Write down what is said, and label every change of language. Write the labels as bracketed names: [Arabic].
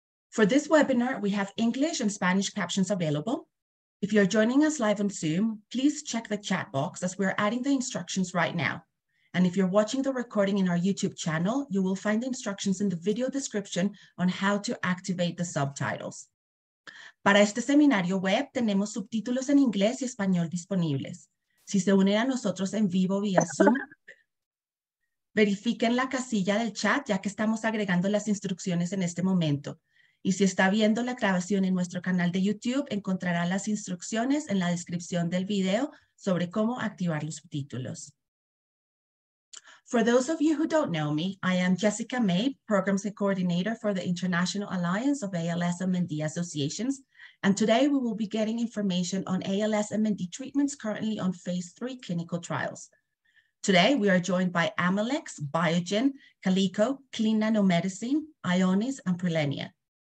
[English] For this webinar, we have English and Spanish captions available. If you're joining us live on Zoom, please check the chat box as we're adding the instructions right now. And if you're watching the recording in our YouTube channel, you will find the instructions in the video description on how to activate the subtitles. [Spanish] Para este seminario web, tenemos subtítulos en inglés y español disponibles. Si se unen a nosotros en vivo vía Zoom, verifiquen la casilla del chat, ya que estamos agregando las instrucciones en este momento. Y si está viendo la grabación en nuestro canal de YouTube, encontrará las instrucciones en la descripción del video sobre cómo activar los subtítulos. [English] For those of you who don't know me, I am Jessica May, Programs Coordinator for the International Alliance of ALS and Mendi Associations. And today we will be getting information on ALS and Mendi treatments currently on phase 3 clinical trials. Today we are joined by Amylyx, Biogen, Calico, Clean Nanomedicine, Ionis, and Prelenia.